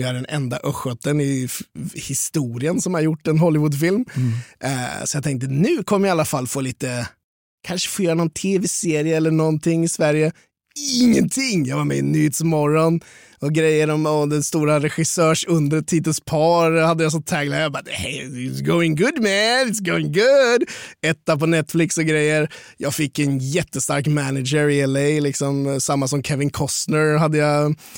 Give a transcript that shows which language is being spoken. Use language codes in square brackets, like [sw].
[sv] Jag är den enda östgöten i historien som har gjort en Hollywoodfilm. Så jag tänkte, nu kommer jag i alla fall få lite... Kanske få göra någon tv-serie eller någonting i Sverige. Ingenting! Jag var med i Nyhetsmorgon och grejer om den stora regissörs under Titus Par hade jag så tagglat. Jag bara, [en] hey, it's going good man, it's going good. [sv] Etta på Netflix och grejer. Jag fick en jättestark manager i LA, liksom samma som Kevin Costner hade jag.